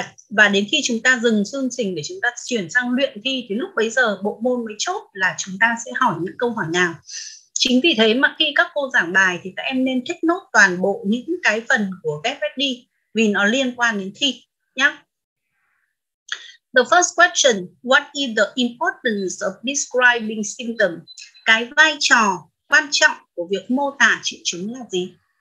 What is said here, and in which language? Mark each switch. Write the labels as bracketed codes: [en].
[vi] Và đến khi chúng ta dừng chương trình để chúng ta chuyển sang luyện thi thì lúc bấy giờ bộ môn mới chốt là chúng ta sẽ hỏi những câu hỏi nào. Chính vì thế mà khi các cô giảng bài thì các em nên [en] take note [vi] toàn bộ những cái phần của FSD vì nó liên quan đến thi nhé. [en] The first question, what is the importance of describing symptoms? [vi] Cái vai trò quan trọng của việc mô tả triệu chứng là gì?